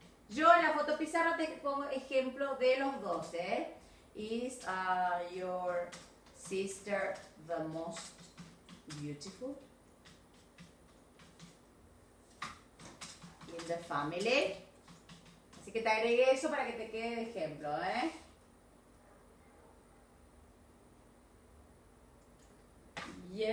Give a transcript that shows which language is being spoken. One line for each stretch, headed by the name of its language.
Spanish: Yo en la foto pizarra te pongo ejemplo de los dos, ¿eh?
English: Is your sister the most beautiful in the family?
Spanish: Así que te agregué eso para que te quede de ejemplo, ¿eh?